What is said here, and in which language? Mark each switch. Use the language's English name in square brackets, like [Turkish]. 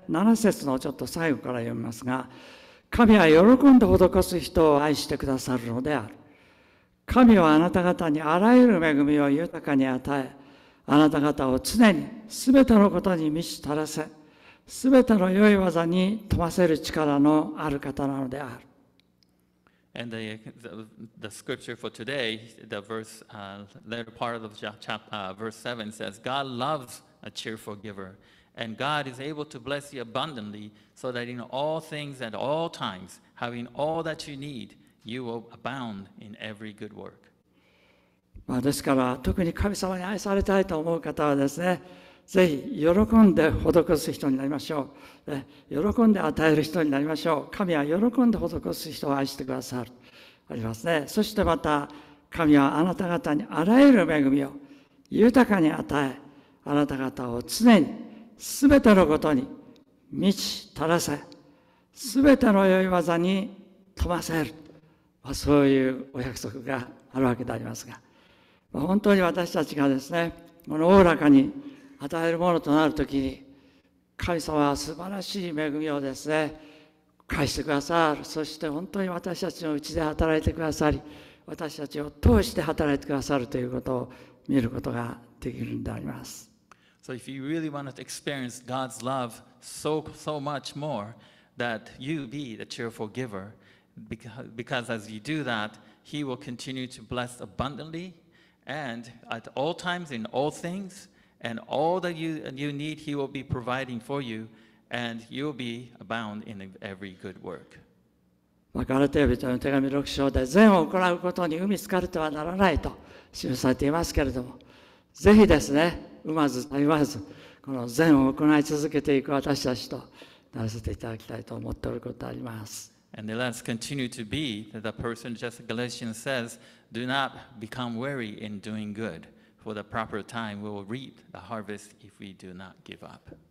[Japanese] 7節のちょっと最後から読みますが、神は喜んで施す人を愛してくださるのである。神はあなた方にあらゆる恵みを豊かに与え、あなた方を常にすべてのことに満ち足らせ、すべての良い技に富ませる力のある方なのである。 [English] And the scripture for today, the verse, later part of verse 7 says, God loves a cheerful giver. And God is able to bless you abundantly so that in all things at all times, having all that you need, you will abound in every good work. [Japanese] まあですから、特に神様に愛されたいと思う方はですね、ぜひ喜んで施す人になりましょう。ね、喜んで与える人になりましょう。神は喜んで施す人を愛してくださる。ありますね。そしてまた、神はあなた方にあらゆる恵みを豊かに与え、あなた方を常にすべてのことに満ち足らせ、すべての良い技に富ませる、まあ、そういうお約束があるわけでありますが、まあ、本当に私たちがですね、このおおらかに与えるものとなるときに、神様は素晴らしい恵みをですね、返してくださる、そして本当に私たちのうちで働いてくださり、私たちを通して働いてくださるということを見ることができるんであります。 [English] So if you really want to experience God's love so much more, that you be the cheerful giver, because as you do that, He will continue to bless abundantly, and at all times in all things, and all that you need, He will be providing for you, and you will be abound in every good work. [Japanese] ガラテヤ人の手紙6章で善を行うことに海つかるとはならないと記されていますけれども、ぜひですね、産まず産まずこの善を行い続けていく私たちとならせていただきたいと思っておることがあります。 [English] And let's continue to be the person just Galatians says, do not become weary in doing good, for the proper time we will reap the harvest if we do not give up.